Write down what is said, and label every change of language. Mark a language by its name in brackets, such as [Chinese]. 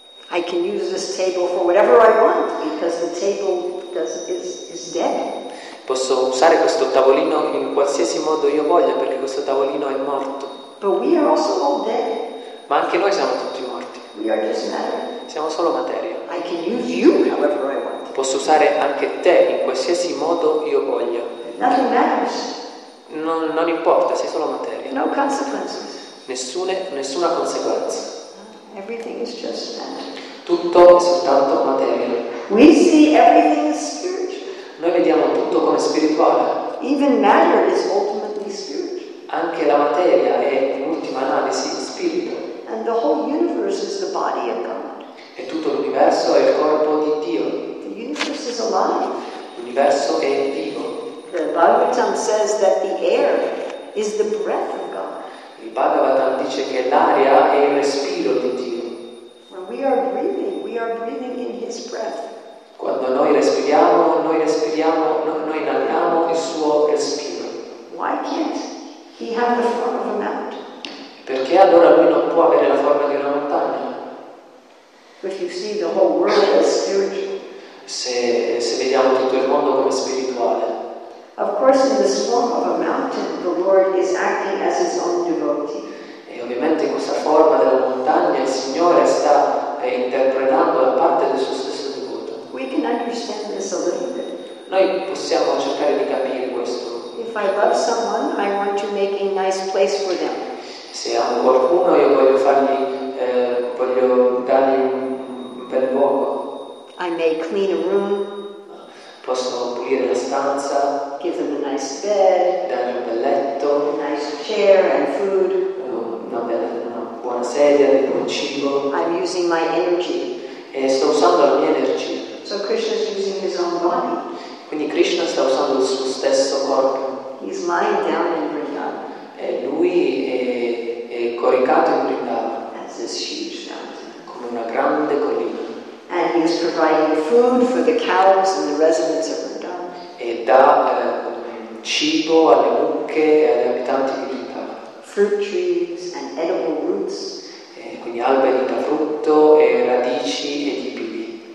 [English] I can use this table for whatever I want because the table is dead. [Italian] Posso usare questo tavolino in qualsiasi modo io voglia perché questo tavolino è morto. [English] But we are also all dead. [Italian] Ma anche noi siamo tutti morti. [English] We are just matter. [Italian] Siamo solo materia. [English] I can use you however I want. [Italian] Posso usare anche te in qualsiasi modo io voglia. [English] Nothing matters. [Italian] Non importa, sei solo materia. [English] No consequences. [Italian] Nessuna conseguenza. [English] Everything is just [Italian] tutto è soltanto materia. [English] We see everything as spiritual. [Italian] Noi vediamo tutto come spirituale. [English] Even matter is ultimately spiritual. [Italian] Anche la materia è, in ultima analisi, spirito. [English] And the whole universe is the body of God. [Italian] E tutto l'universo è il corpo di Dio. [English] The universe is alive. [Italian] L'universo è vivo. [English] The Bhagavatam says that the air is the breath of God. [Italian] Il Bhagavatam dice che l'aria è il respiro di Dio. [English] When we are breathing, we are breathing in His breath. [Italian] Quando noi inaliamo il suo respiro. [English] Why can't He have the form of a mountain? [Italian] Perché allora lui non può avere la forma di una montagna? [English] If you see the whole world as spiritual. [Italian] Se vediamo tutto il mondo come spirituale. [English] Of course, in the form of a mountain, the Lord is acting as His own devotee. [Italian] E ovviamente in questa forma della montagna il Signore sta interpretando la parte del suo stesso devoto. [English] We can understand this a little bit. [Italian] Noi possiamo cercare di capire questo. [English] If I love someone, I want to make a nice place for them. [Italian] Se amo qualcuno, io voglio dargli un bel luogo. [English] I may clean a room. [Italian] Posso pulire la stanza. [English] Give them a nice bed. [Italian] Dargli un bel letto. [English] A nice chair and food. [Italian] Una buona sedia, del buon cibo. [English] I'm using my energy. [Italian] E sto usando la mia energia. [English] So Krishna is using his own body. [Italian] Quindi Krishna sta usando il suo stesso corpo. [English] He's lying down in Vrindavan. [Italian] E lui è coricato in Vrindavan. [English] That's his huge mountain. [Italian] Come una grande collina. [English] And he is providing food for the cows and the residents of Vrindavan. [Italian] E dà cibo alle mucche e agli abitanti di Vrindavan. [English] Fruit trees and edible roots. [Italian] E quindi alberi da frutto e radici edibili.